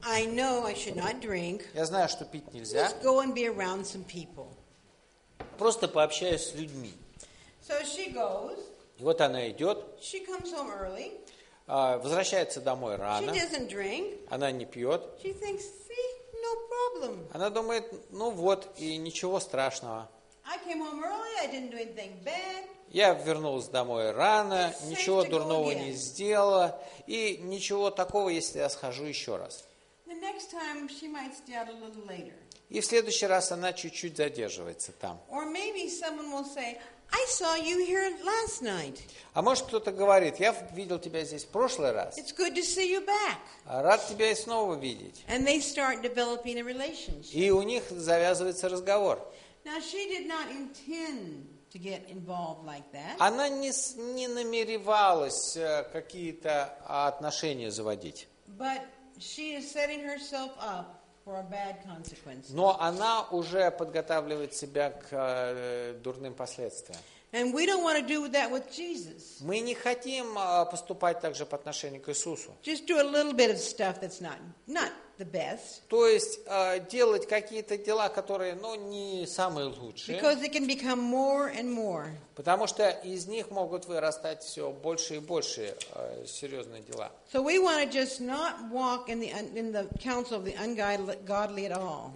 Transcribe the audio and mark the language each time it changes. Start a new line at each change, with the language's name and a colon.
English: I know I should not drink.
Russian: Я знаю, что пить нельзя.
English: Just go and be around some people.
Russian: Просто пообщаюсь с людьми.
English: So she goes.
Russian: И вот она идет.
English: She comes home early.
Russian: Возвращается домой рано.
English: She doesn't drink.
Russian: Она не пьет.
English: She thinks, see, no problem.
Russian: Она думает, ну вот, и ничего страшного.
English: I came home early, I didn't do anything bad.
Russian: Я вернулся домой рано,
English: it's
Russian: ничего дурного не сделала, и ничего такого, если я схожу еще раз.
English: The next time she might stay out a little later.
Russian: И в следующий раз она чуть-чуть задерживается там.
English: Or maybe someone will say, I saw you here last night.
Russian: А может кто-то говорит, я видел тебя здесь в прошлый раз.
English: It's good to see you back.
Russian: Рад тебя и снова видеть.
English: And they start developing a relationship.
Russian: И у них завязывается разговор.
English: Now she did not intend to get involved like that.
Russian: Она не намеревалась какие-то отношения заводить.
English: But she is setting herself up for a bad consequence.
Russian: Но она уже подготавливает себя к дурным последствиям.
English: And we don't want to do that with Jesus.
Russian: Мы не хотим поступать так же по отношению к Иисусу.
English: Just do a little bit of stuff that's not the best.
Russian: То есть делать какие-то дела, которые, ну, не самые лучшие.
English: Because it can become more and more.
Russian: Потому что из них могут вырастать все больше и больше серьезные дела.
English: So we want to just not walk in the counsel of the ungodly at all.